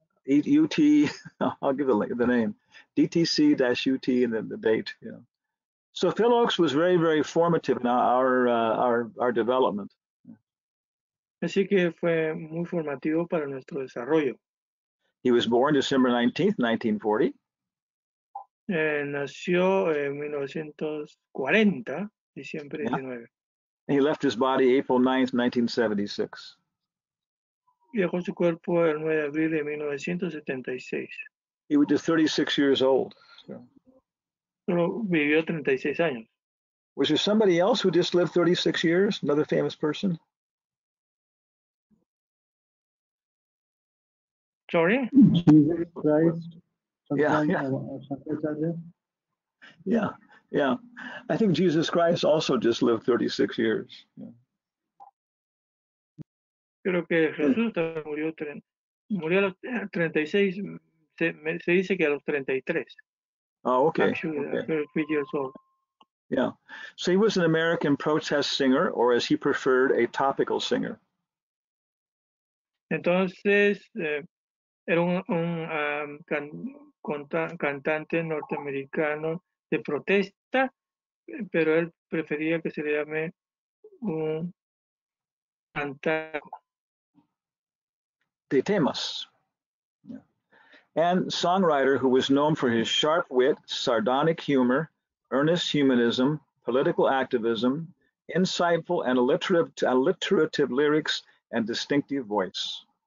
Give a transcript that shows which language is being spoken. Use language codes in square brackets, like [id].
[en] UT, I'll give it the name, DTC-UT and then the date. Yeah. So Phil Oaks was very, very formative in our development. [es] Así que fue muy formativo para nuestro desarrollo. [en] He was born December 19th, [es] 1940. Nació en 1940, diciembre 19. [en] Yeah. He left his body April 9th, 1976. [es] Dejó su cuerpo el 9 de abril de [en] 1976. He was 36 years old. [es] Solo vivió 36 años. [en] Was there somebody else who just lived 36 years? Another famous person? Sorry? Jesus Christ. Yeah. I think Jesus Christ also just lived 36 years. Yeah. [es] Creo que Jesús también murió, murió a los 36, se dice que a los 33. [en] Oh, okay. Actually, okay. Yeah. So he was an American protest singer, or as he preferred, a topical singer. Entonces, era un cantante norteamericano de protesta, pero él prefería que se le llame un cantante de temas. And songwriter who was known for his sharp wit, sardonic humor, earnest humanism, political activism, insightful and alliterative lyrics, and distinctive voice.